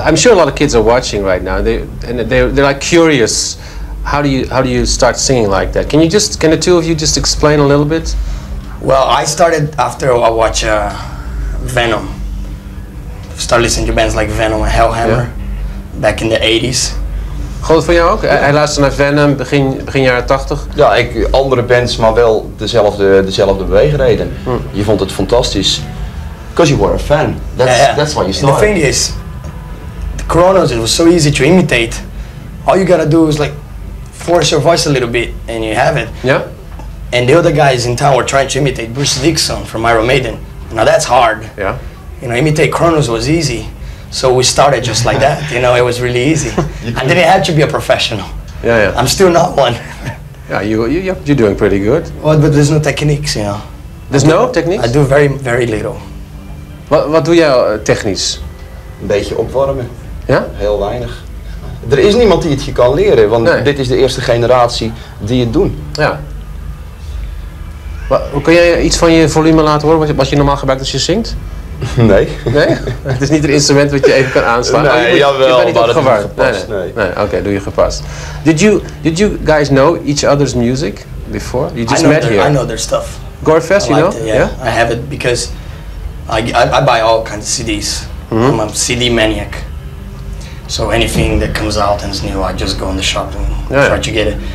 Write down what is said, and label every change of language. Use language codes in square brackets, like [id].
[en] I'm sure a lot of kids are watching right now, they're like curious, how do you start singing like that? Can the two of you just explain a little bit? Well, I started after I watched Venom. Start listening to bands like Venom and Hellhammer back in the 80s. [nl] Goed voor jou ook? [en] Yeah. [nl] Hij luisterde naar Venom begin jaren 80? Ja, andere bands, maar wel dezelfde beweegreden. Hmm. Je vond het fantastisch. [en] Because you were a fan. That's what you started. The thing is, the Kronos, it was so easy to imitate. All you gotta do is like force your voice a little bit and you have it. Yeah. And the other guys in town were trying to imitate Bruce Dickinson from Iron Maiden. Now that's hard. Yeah. You know, imitate Kronos was easy, so we started just like that, you know, it was really easy. I didn't have to be a professional. Yeah, yeah. I'm still not one. Yeah, you're doing pretty good. Well, but there's no techniques, you know. There's no techniques? I do very, very little. [nl] Wat doe jij technisch? Een beetje opwarmen. Ja? Heel weinig. Er is niemand die het je kan leren, want dit is de eerste generatie die het doen. Ja. Maar, kun jij iets van je volume laten horen, wat je normaal gebruikt als je zingt? Nee. Nee? Het is niet een instrument wat je even kan aanslaan. Nee, je jawel, je niet maar dat doe gepast. Nee. Oké, doe je gepast. [en] Did you guys know each other's music before? You just met here? I know their stuff. Gorefest, you know? Yeah. I have it because I buy all kinds of CDs. Mm-hmm. I'm a CD maniac. So anything that comes out and is new, I just go in the shop and try to get it.